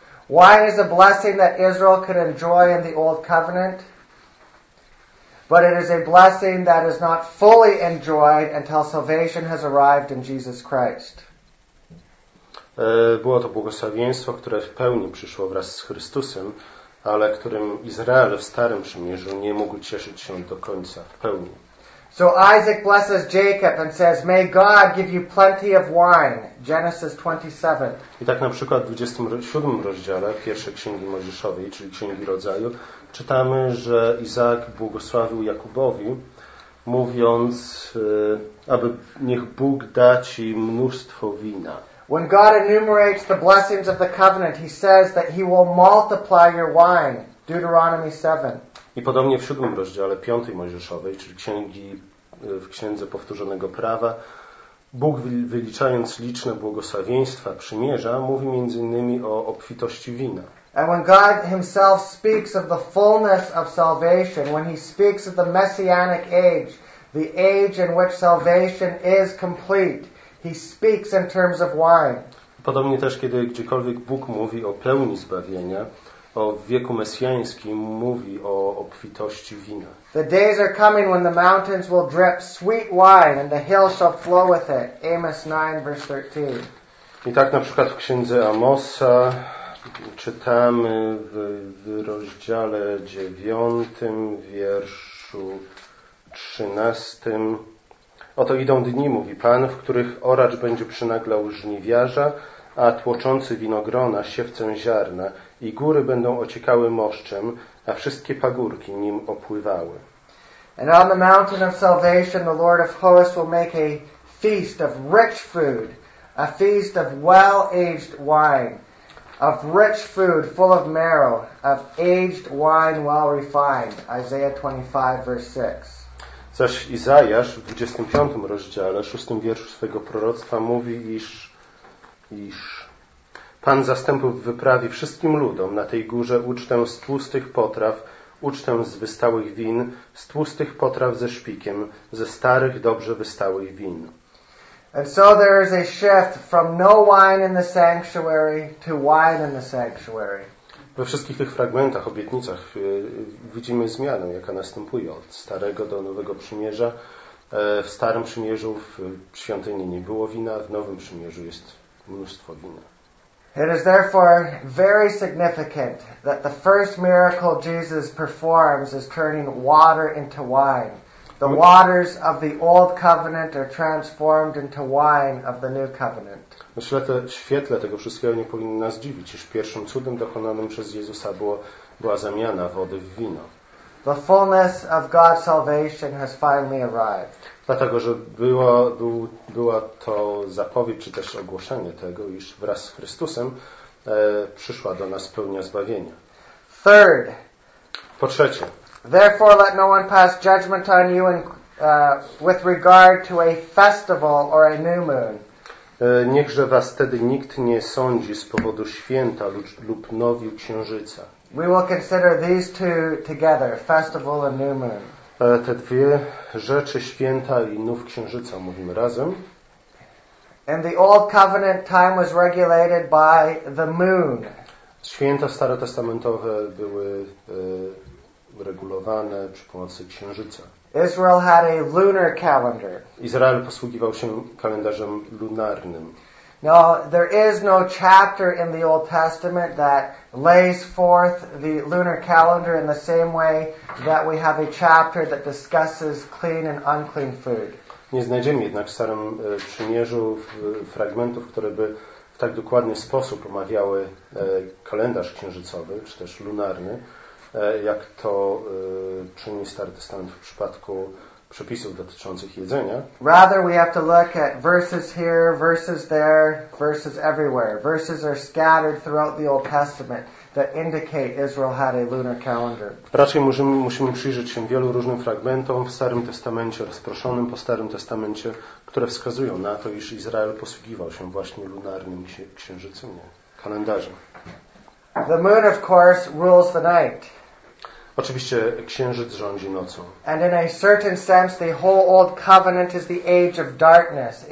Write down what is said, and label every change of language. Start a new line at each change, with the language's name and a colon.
English: Why is a blessing that Israel could enjoy in the old covenant? But it is a blessing that is not fully enjoyed until salvation has arrived in Jesus Christ.
Polish: Było to błogosławieństwo, które w pełni przyszło wraz z Chrystusem, ale którym Izrael w Starym Przymierzu nie mógł cieszyć się do końca w pełni.
English: So Isaac blesses Jacob and says, may God give you plenty of wine. Genesis 27.
Polish: I tak na przykład w 27 rozdziale pierwszej Księgi Mojżeszowej, czyli Księgi Rodzaju, czytamy, że Izaak błogosławił Jakubowi, mówiąc, aby niech Bóg da ci mnóstwo wina.
English: When God enumerates the blessings of the covenant, he says that he will multiply your wine. Deuteronomy 7.
Polish: I podobnie w 7 rozdziale 5 Mojżeszowej, czyli w księdze powtórzonego prawa, Bóg wyliczając liczne błogosławieństwa przymierza, mówi między innymi o obfitości wina.
English: And when God himself speaks of the fullness of salvation, when he speaks of the messianic age, the age in which salvation is complete, he speaks in terms of wine.
Polish: Podobnie też, kiedy gdziekolwiek Bóg mówi o pełni zbawienia, o wieku mesjańskim, mówi o obfitości wina.
English: The days are coming when the mountains will drip sweet wine and the hills shall flow with it. Amos 9, verse 13.
Polish: I tak na przykład w księdze Amosa czytamy w rozdziale 9, wierszu 13. Oto idą dni, mówi Pan, w których oracz będzie przynaglał żniwiarza, a tłoczący winogrona siewcę ziarna, i góry będą ociekały moszczem, a wszystkie pagórki nim opływały.
English: And on the mountain of salvation, the Lord of hosts will make a feast of rich food, a feast of well-aged wine, of rich food full of marrow, of aged wine well refined. Isaiah 25, verse 6.
Polish: Zaś Izajasz w 25 rozdziale, 6 wierszu swego proroctwa mówi, iż Pan zastępów wyprawi wszystkim ludom na tej górze ucztę z tłustych potraw, ucztę z wystałych win, z tłustych potraw ze szpikiem, ze starych, dobrze wystałych win.
English: And so there is a shift from no wine in the sanctuary to wine in the sanctuary.
Polish: We wszystkich tych fragmentach, obietnicach widzimy zmianę, jaka następuje od Starego do Nowego Przymierza. W Starym Przymierzu w świątyni nie było wina, w Nowym Przymierzu jest mnóstwo wina.
English: It is therefore very significant that the first miracle Jesus performs is turning water into wine. The waters of the old covenant are transformed into wine of the new covenant.
Polish: W świetle tego wszystkiego nie powinno nas dziwić, iż pierwszym cudem dokonanym przez Jezusa była zamiana wody w wino.
English: The fullness of God's salvation has finally arrived.
Polish: Dlatego, że była to zapowiedź, czy też ogłoszenie tego, iż wraz z Chrystusem przyszła do nas pełnia zbawienia.
English: Third.
Polish: Po trzecie.
English: Therefore, let no one pass judgment on you with regard to a festival or a new moon.
Polish: Niechże was tedy nikt nie sądzi z powodu święta lub nowiu księżyca.
English: We will consider these two together, festival and new moon.
Polish: Te dwie rzeczy, święta i nów księżyca, mówimy razem.
English: And the old covenant time was regulated by the moon.
Polish: Święta starotestamentowe były regulowane przy pomocy księżyca.
English: Israel had a lunar calendar.
Polish: Izrael posługiwał się kalendarzem lunarnym.
English: Now, there is no chapter in the Old Testament that lays forth the lunar calendar in the same way that we have a chapter that discusses clean and unclean food.
Polish: Nie znajdziemy jednak w Starym Przymierzu fragmentów, które by w tak dokładny sposób omawiały kalendarz księżycowy, czy też lunarny. jak to czyni Stary Testament w przypadku przepisów dotyczących jedzenia.
English: Rather we have to look at verses here, verses there, verses everywhere. Verses are scattered throughout the Old Testament that indicate Israel had a lunar calendar.
Polish: Raczej musimy przyjrzeć się wielu różnym fragmentom w Starym Testamencie, rozproszonym po Starym Testamencie, które wskazują na to, iż Izrael posługiwał się właśnie lunarnym księżycem, kalendarzem.
English: The moon, of course, rules the night.
Polish: Oczywiście księżyc rządzi nocą.
English: And in a certain sense, the whole old covenant is the age of darkness.